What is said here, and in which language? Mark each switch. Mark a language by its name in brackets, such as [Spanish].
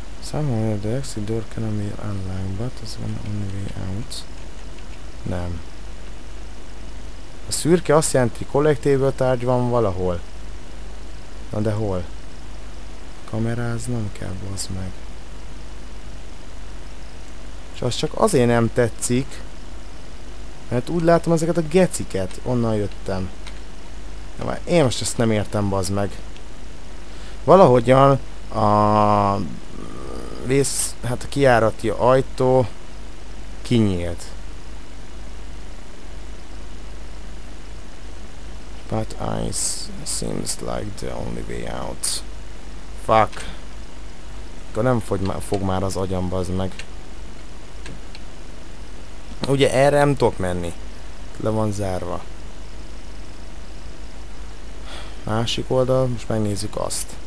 [English] Somehow the exit door cannot be unlocked, but it's the only way out. [Hungarian] Nem. A szürke azt jelenti, kollektívből tárgy van valahol. Na de hol? Kameráznom kell, bazd meg. És az csak azért nem tetszik, mert úgy látom ezeket a geciket. Onnan jöttem. Én most ezt nem értem, bazd meg. Valahogyan a vész, hát a kijárati ajtó kinyílt. [English] But ice seems like the only way out. Fuck. [Hungarian] Akkor nem fog már az agyam, bazd meg. Ugye erre nem tudok menni. Le van zárva. Másik oldal, most megnézzük azt.